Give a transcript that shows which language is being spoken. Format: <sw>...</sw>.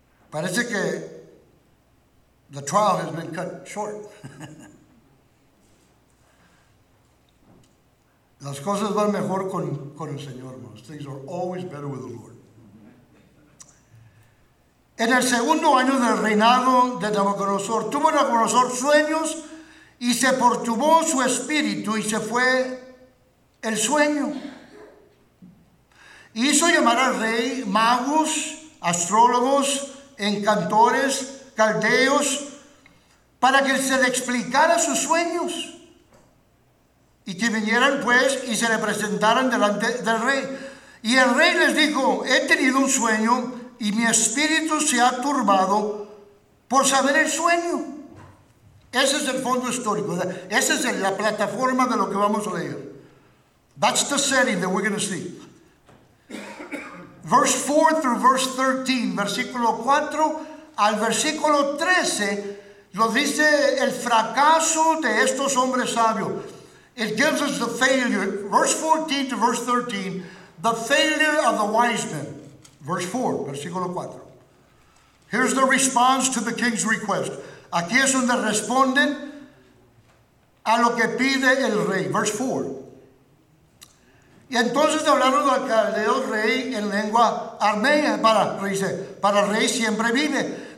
<es>Parece que</es> <en>the trial has been cut short.</en> <es>Las cosas van mejor con el Señor, hermanos.</es> <en>Things are always better with the Lord.</en> <es>En el segundo año del reinado de Nabucodonosor, tuvo Nabucodonosor sueños y se perturbó su espíritu y se fue el sueño. Hizo llamar al rey magos, astrólogos, encantores, caldeos, para que se le explicara sus sueños y que vinieran pues y se le presentaran delante del rey. Y el rey les dijo, he tenido un sueño y mi espíritu se ha turbado por saber el sueño. Ese es el fondo histórico, esa es la plataforma de lo que vamos a leer.</es> <en>That's the setting that we're going to see. Verse 4 through verse 13,</en> <es>versículo 4 al versículo 13, lo dice el fracaso de estos hombres sabios.</es> <en>It gives us the failure, verse 14 to verse 13, the failure of the wise men. Verse 4,</en> <es>versículo 4.</es> <en>Here's the response to the king's request.</en> <es>Aquí es donde responden a lo que pide el rey.</es> <en>Verse 4.</en> <es>Y entonces hablaron al caldeo rey en lengua aramea, para rey siempre vive.</es>